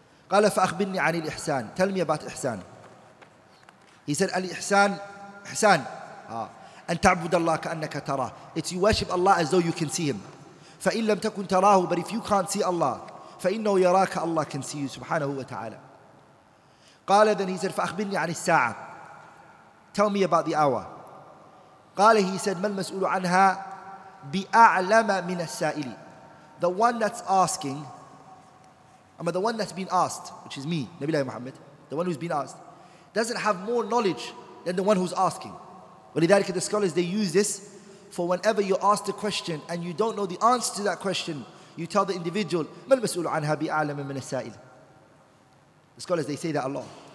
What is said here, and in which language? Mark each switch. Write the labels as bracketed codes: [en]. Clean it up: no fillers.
[ar] قَالَ فَأَخْبِرْنِي عَنِ الْإِحْسَانِ. [en] Tell me about ihsan. He said, al-ihsan, ihsan. [ar] أَنْ تَعْبُدَ اللَّهَ كَأَنَّكَ تَرَى. [en] It's you worship Allah as though you can see Him. [ar] فَإِنْ لَمْ تَكُنْ تَرَاهُ. [en] But if you can't see Allah, [ar] فَإِنَّهُ يَرَاكَ. [en] Allah can see you, subhanahu wa ta'ala. [ar] قَالَ, [en] then he said, [ar] فَأَخْبِرْنِي عَنِ السَّاعَةِ. [en] Tell me about the hour. [ar] قَالَ, [en] he said, [ar] مَا الْمَسْؤُولُ عَنْهَا بِأَعْلَمَ مِنَ السَّائِلِ. [en] The one that's asking, the one that's been asked, which is me, Nabilahi Muhammad, the one who's been asked, doesn't have more knowledge than the one who's asking. وَلِذَلِكَ, the scholars, they use this for whenever you're asked a question and you don't know the answer to that question, you tell the individual, [ar] مَا الْمَسْؤُولُ عَنْهَا بِأَعْلَمَ مِنَ السَّائِلِ. [en] The scholars, they say that a lot.